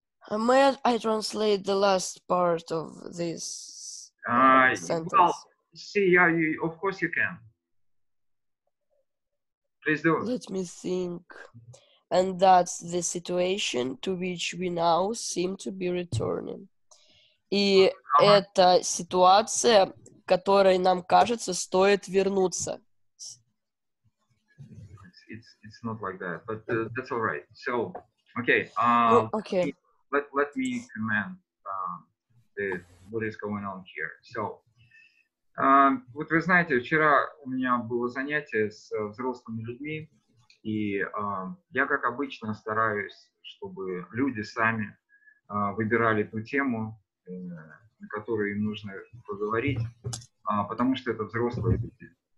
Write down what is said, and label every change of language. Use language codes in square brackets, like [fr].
[en] May I translate the last part of this sentence? Well, see, yeah, you, of course you can. Please do. Let me think. And that's the situation to which we now seem to be returning. [ru] И это ситуация, которой нам кажется, стоит вернуться. [en] It's not like that, but that's all right. So, okay. Okay. Let me comment what is going on here. [ru] So, вот вы знаете, вчера у меня было занятие с взрослыми людьми, и я, как обычно, стараюсь, чтобы люди сами выбирали ту тему, на которую им нужно поговорить, потому что это взрослые люди.